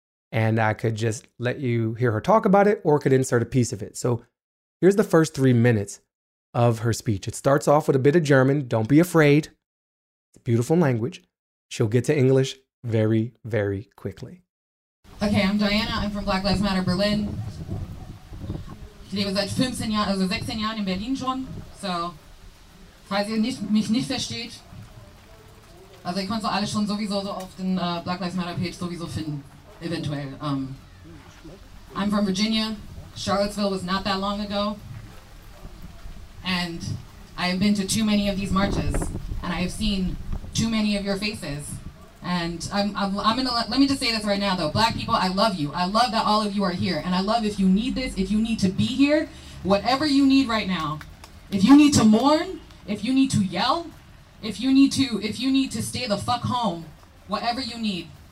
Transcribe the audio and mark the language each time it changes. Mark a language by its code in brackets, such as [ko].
[en] And I could just let you hear her talk about it or could insert a piece of it. So here's the first 3 minutes of her speech. It starts off with a bit of German. Don't be afraid. Beautiful language. She'll get to English very, very quickly. Okay, I'm Diana. I'm from Black Lives Matter Berlin. [de] Ich lebe seit 15 Jahren, also 16 Jahren in Berlin schon. So, falls ihr mich nicht versteht, also ihr könnt so alles schon sowieso so auf den Black Lives Matter Page sowieso finden, eventuell. [en] I'm from Virginia. Charlottesville was not that long ago. And I have been to too many of these marches. And I have seen too many of your faces. And let me just say this right now though. Black people, I love you. I love that all of you are here. And I love if you need this, if you need to be here, whatever you need right now, if you need to mourn, if you need to yell, if you need to stay the fuck home, whatever you need.